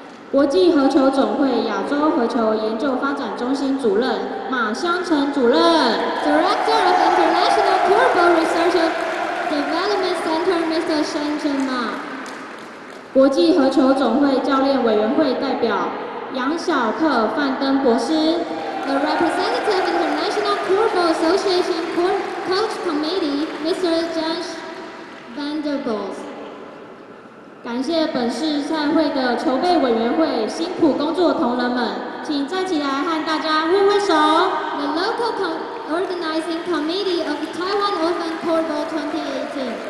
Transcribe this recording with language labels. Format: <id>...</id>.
<zh>国际合球总会亚洲合球研究发展中心主任马湘成主任。</zh> <en>Director of International Courtball Research Development Center, Mr. Shen Chen Ma.</en> <zh>国际合球总会教练委员会代表杨小克范登博士。</zh> <en>The Representative International Courtball Association Coach Committee, Mr. Josh Vanderbilt.</en> <zh>感谢本市赛会的筹备委员会辛苦工作同仁们，请站起来和大家挥挥手。</zh> <en>The local organizing committee of the Taiwan Open Courtball 2018.</en>